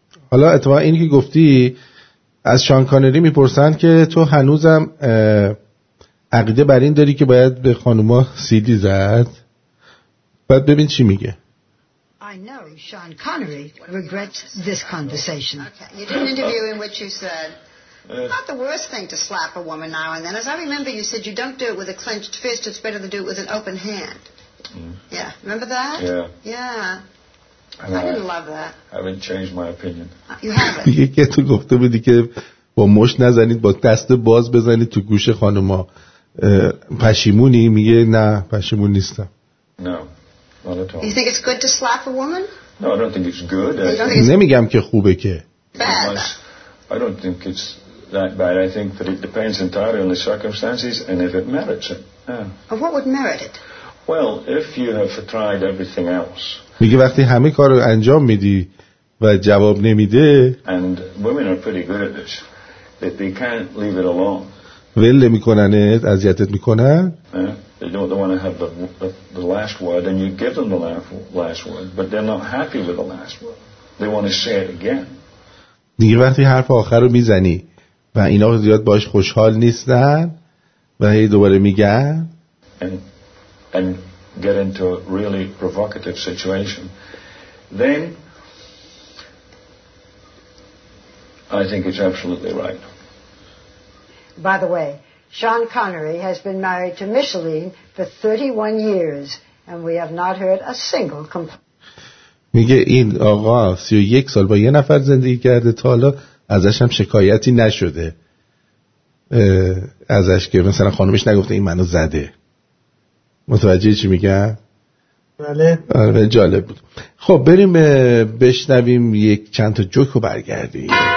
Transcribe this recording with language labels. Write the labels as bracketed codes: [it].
[fa] حالا اتفاقا اینی که گفتی، از شان کانری میپرسن که تو هنوزم عقیده بر این داری که باید به خانوما سیدی زد؟ بعد ببین چی میگه. [en] I know Sean Connery regrets this conversation. You did an interview in which you said not the worst thing to slap a woman now and then. As I remember, you said you don't do it with a clenched fist. It's better to do it with an open hand. Yeah. Remember that? Yeah. And I didn't love that. I haven't changed my opinion. You haven't. [fa] یکی تو گفته بودی که با مش نزنید، با دست باز بزنید تو گوش خانوما. پشیمونی؟ میگه نه، پشیمون نیستم. [en] No. Not at all. You think it's good to slap a woman? No, I don't think it's good. [fa] نمیگم که خوبه که. [en] Bad. I don't think it's that bad. I think that it depends entirely on the circumstances and if it merits it. Yeah. What would merit it? Well, if you have tried everything else. [fa] میگه وقتی همه کار رو انجام میدی و جواب نمیده. [en] And women are pretty good at this. That they can't leave it alone. [fa] ول میکننت، اذیتت میکنن. [en] They don't want to have the last word, and you give them the last word, but they're not happy with the last word. They want to say it again. [fa] دیگه وقتی حرف آخر رو میزنی و اینا زیاد باش خوشحال نیستن و هی دوباره میگن [en] and get into a really provocative situation then I think it's absolutely right. By the way, Sean Connery has been married to Micheline for 31 years, and we have not heard a single complaint. [fa] میگه این آقا 31 سال با یه نفر زندگی کرده تا حالا ازش هم شکایتی نشده. ازش که مثلا خانمش نگفته این منو زده. متوجه چی میگه؟ بله. آره جالب بود. خب بریم بشنویم یک چند تا جوک رو برگردیم.